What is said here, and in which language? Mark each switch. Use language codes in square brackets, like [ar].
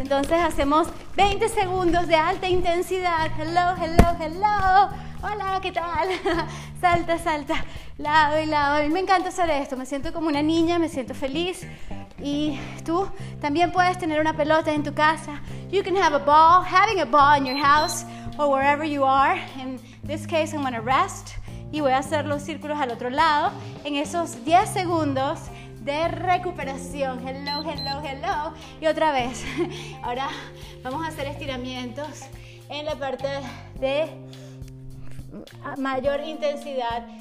[es] Entonces hacemos 20 segundos de alta intensidad. [en] Hello, hello, hello. [es] Hola, ¿qué tal? Salta, salta, lado y lado. A mí me encanta hacer esto, me siento como una niña, me siento feliz. Y tú también puedes tener una pelota en tu casa. [en] You can have a ball, having a ball in your house or wherever you are. In this case, I'm gonna rest. [es] Y voy a hacer los círculos al otro lado en esos 10 segundos de recuperación. [en] Hello, hello, hello. [es] Y otra vez. Ahora vamos a hacer estiramientos en la parte de mayor intensidad.